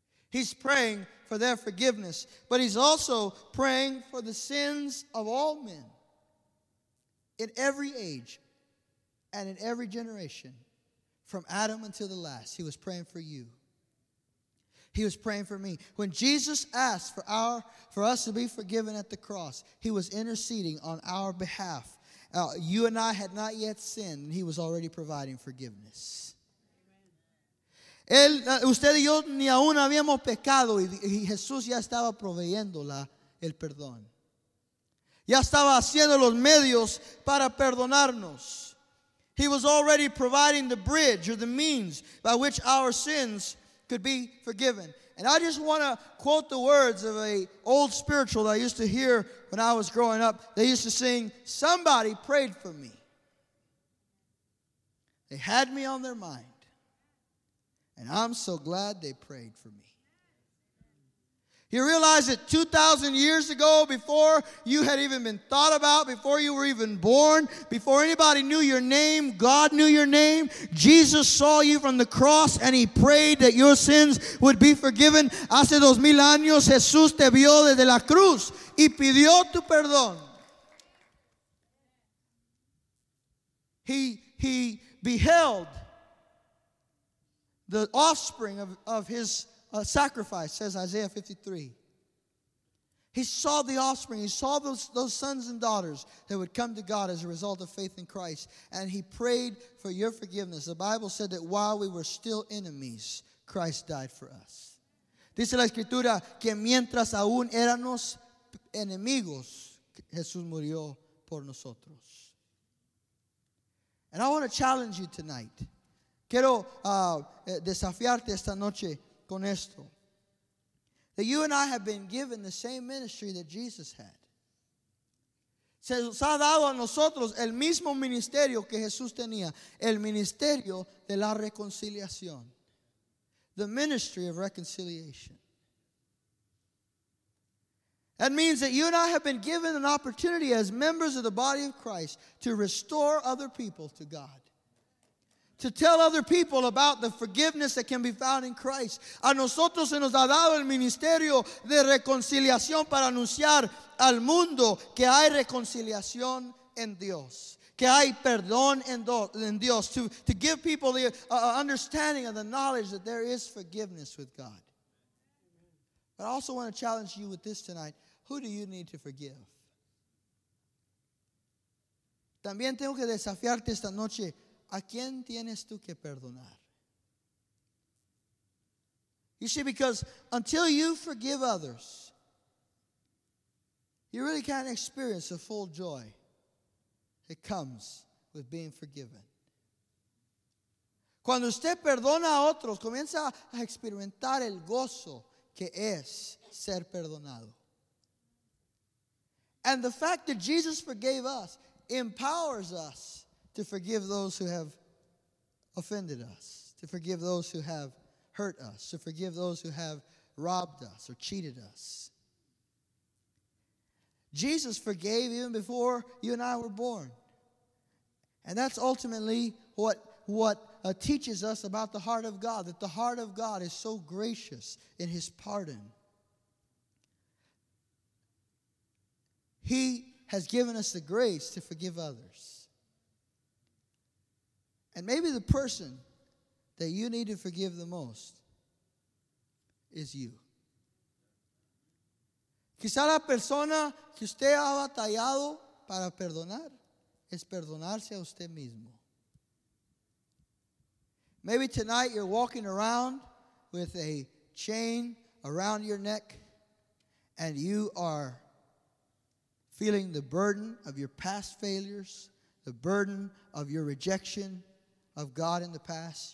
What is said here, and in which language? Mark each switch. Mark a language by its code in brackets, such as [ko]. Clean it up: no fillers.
[en] He's praying for their forgiveness, but he's also praying for the sins of all men in every age and in every generation, from Adam until the last. He was praying for you. He was praying for me. When Jesus asked for us to be forgiven at the cross, he was interceding on our behalf. You and I had not yet sinned, and he was already providing forgiveness. [es] Él, usted y yo ni aún habíamos pecado y Jesús ya estaba proveyendo el perdón. Ya estaba haciendo los medios para perdonarnos. [en] He was already providing the bridge or the means by which our sins could be forgiven. And I just want to quote the words of an old spiritual that I used to hear when I was growing up. They used to sing, somebody prayed for me. They had me on their mind. And I'm so glad they prayed for me. You realize that 2,000 years ago, before you had even been thought about, before you were even born, before anybody knew your name, God knew your name, Jesus saw you from the cross and he prayed that your sins would be forgiven. [es] Hace 2,000 años, Jesús te vio desde la cruz y pidió tu perdón. [en] He beheld the offspring of his sacrifice, says Isaiah 53. He saw the offspring. He saw those sons and daughters that would come to God as a result of faith in Christ. And he prayed for your forgiveness. The Bible said that while we were still enemies, Christ died for us. [es] Dice la Escritura que mientras aún éramos enemigos, Jesús murió por nosotros. [en] And I want to challenge you tonight. [es] Quiero desafiarte esta noche con esto. [en] That you and I have been given the same ministry that Jesus had. [es] Se nos ha dado a nosotros el mismo ministerio que Jesús tenía, el ministerio de la reconciliación. [en] The ministry of reconciliation. That means that you and I have been given an opportunity as members of the body of Christ to restore other people to God. To tell other people about the forgiveness that can be found in Christ. [es] A nosotros se nos ha dado el ministerio de reconciliación para anunciar al mundo que hay reconciliación en Dios. Que hay perdón en Dios. [en] To give people the understanding of the knowledge that there is forgiveness with God. But I also want to challenge you with this tonight. Who do you need to forgive? [es] También tengo que desafiarte esta noche. ¿A quién tienes tú que perdonar? [en] You see, because until you forgive others, you really can't experience the full joy that comes with being forgiven. [es] Cuando usted perdona a otros, comienza a experimentar el gozo que es ser perdonado. [en] And the fact that Jesus forgave us empowers us to forgive those who have offended us, to forgive those who have hurt us, to forgive those who have robbed us or cheated us. Jesus forgave even before you and I were born. And that's ultimately what teaches us about the heart of God, that the heart of God is so gracious in His pardon. He has given us the grace to forgive others. And maybe the person that you need to forgive the most is you. [es] Quizá la persona que usted ha batallado para perdonar es perdonarse a usted mismo. [en] Maybe tonight you're walking around with a chain around your neck and you are feeling the burden of your past failures, the burden of your rejection of God in the past.